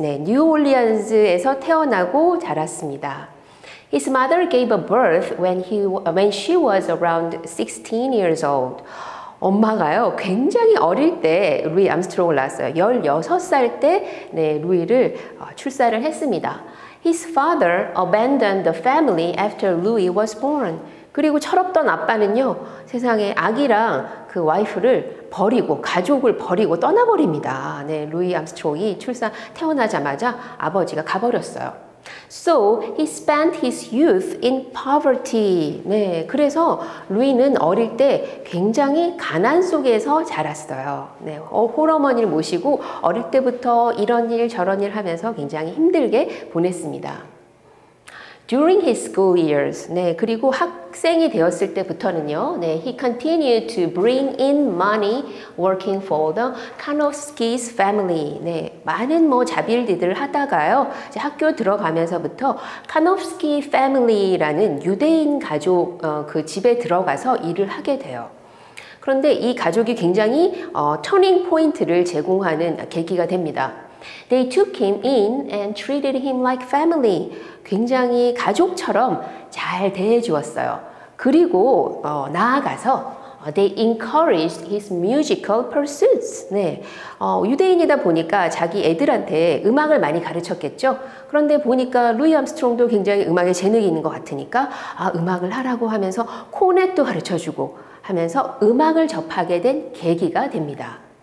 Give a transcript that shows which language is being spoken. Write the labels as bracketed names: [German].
[Korean] 네, New Orleans에서 태어나고 자랐습니다. [English] His mother gave a birth when she was around 16 years old. [Korean] 엄마가요, 굉장히 어릴 때 루이 암스트롱을 낳았어요. 16살 때 네, 루이를 출산을 했습니다. [English] His father abandoned the family after Louis was born. [Korean] 그리고 철없던 아빠는요, 세상에 아기랑 그 와이프를 버리고 가족을 버리고 떠나버립니다. 네, 루이 암스트롱이 태어나자마자 아버지가 가버렸어요. [English] So he spent his youth in poverty. [Korean] 네, 그래서 루이는 어릴 때 굉장히 가난 속에서 자랐어요. 네, 홀어머니를 모시고 어릴 때부터 이런 일 저런 일 하면서 굉장히 힘들게 보냈습니다. [English] During his school years, [Korean] 네, 그리고 학생이 되었을 때부터는요, 네, [English] he continued to bring in money working for the Kanofsky's family. [Korean] 네, 많은 뭐 자빌디들 하다가요, 이제 학교 들어가면서부터 Kanofsky family라는 유대인 가족 그 집에 들어가서 일을 하게 돼요. 그런데 이 가족이 굉장히 [English] turning point [Korean] 를 제공하는 계기가 됩니다. [English] They took him in and treated him like family. [Korean] 굉장히 가족처럼 잘 대해주었어요. 그리고 나아가서 [English] they encouraged his musical pursuits. [Korean] 네, 유대인이다 보니까 자기 애들한테 음악을 많이 가르쳤겠죠. 그런데 보니까 루이 암스트롱도 굉장히 음악에 재능이 있는 것 같으니까 음악을 하라고 하면서 코넷도 가르쳐주고 하면서 음악을 접하게 된 계기가 됩니다.